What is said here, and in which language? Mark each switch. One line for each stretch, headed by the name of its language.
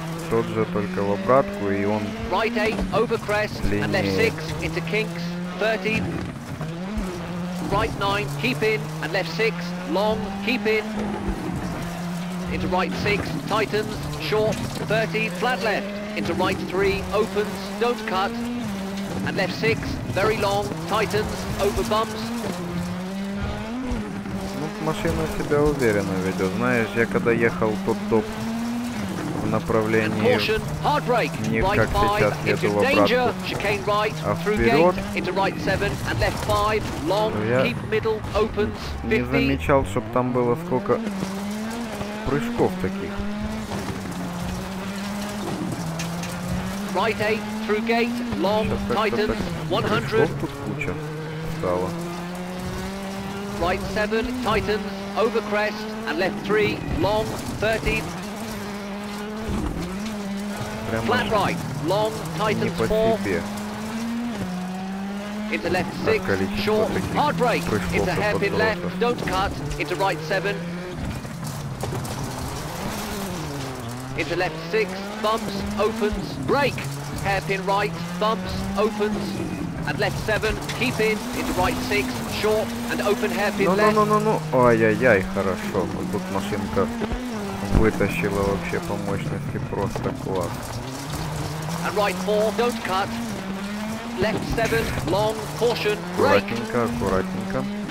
Russian: тот же, только в обратку, и он
English: right 8, overcrest,
Russian: длиннее.
English: And left 6, into kinks, 13, right 9, keep in, and left 6, long, keep in, into right 6, tightens, short, 30, flat left, into right 3, opens, don't cut, and left 6, very long, tightens, over bumps.
Russian: Ну, машина себя уверенно ведет. Знаешь, я когда ехал тот топ в направлении, не как сейчас еду в обратку, а вперед,
English: into right 7, and left 5, long, keep middle, opens, 50.
Russian: Не замечал, чтоб там было сколько прыжков таких.
English: Right 8, through gate, long, tightens, 100. Right 7, tightens, over crest, and left 3, long, 30. Flat right, long, tightens, 4. Into left 6, short, hard break, into hairpin left, don't cut, into right 7. Into left 6, bumps, opens, brake. hairpin right, bumps, opens, and left 7, keep in, into right 6, short, and open hairpin no, left.
Russian: Ну-ну-ну-ну-ну, ой-ой-ой, хорошо, вот тут машинка вытащила вообще по мощности, просто класс.
English: And right 4, don't cut. Left 7, long, caution, brake.
Russian: Аккуратненько, аккуратненько.